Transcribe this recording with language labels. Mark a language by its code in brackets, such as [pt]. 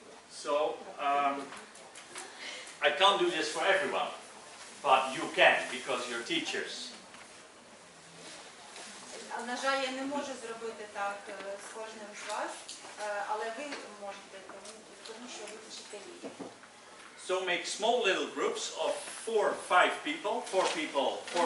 [en] so, I can't do this for everyone, but you can, because you're teachers. [uk] На жаль, я не можу зробити так з кожним з вас, але ви можете, тому що ви вчителі. [en] So make small little groups of four people.